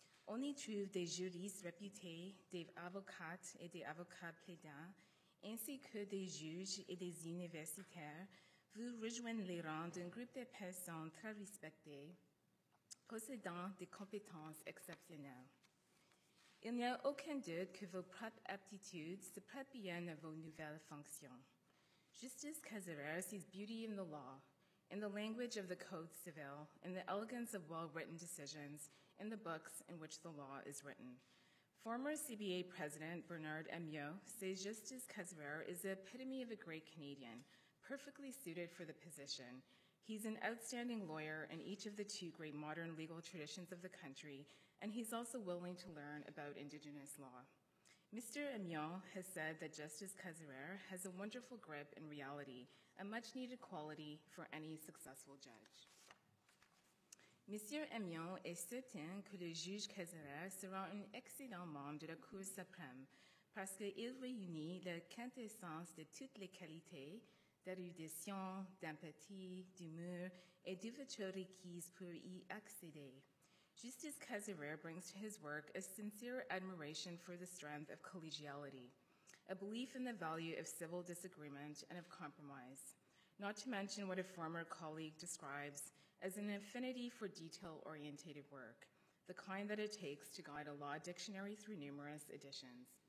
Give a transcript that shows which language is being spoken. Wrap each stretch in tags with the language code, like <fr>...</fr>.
<fr>On y trouve des juristes réputés, des avocates et des avocats plaidants, ainsi que des juges et des universitaires. Vous rejoignez les rangs d'un groupe de personnes très respectées, possédant des compétences exceptionnelles. Il n'y a aucun doute que vos propres aptitudes se prêtent bien à vos nouvelles fonctions.</fr> <en>Justice Cazirère sees beauty in the law, in the language of the Code Civil, in the elegance of well-written decisions, in the books in which the law is written. Former CBA President Bernard Amiot says Justice Cazirère is the epitome of a great Canadian, perfectly suited for the position. He's an outstanding lawyer in each of the two great modern legal traditions of the country, and he's also willing to learn about Indigenous law. Mr. Amiot has said that Justice Cazirère has a wonderful grip in reality, a much-needed quality for any successful judge. Mr.</en> <fr>Amiot est certain que le juge Cazirère sera un excellent membre de la Cour suprême parce qu'il réunit la quintessence de toutes les qualités d'érudition, d'empathie, d'humour, et d'ouverture requises pour y accéder.</fr> <en>Justice Cazirère brings to his work a sincere admiration for the strength of collegiality, a belief in the value of civil disagreement and of compromise, not to mention what a former colleague describes as an affinity for detail-oriented work, the kind that it takes to guide a law dictionary through numerous editions.</en>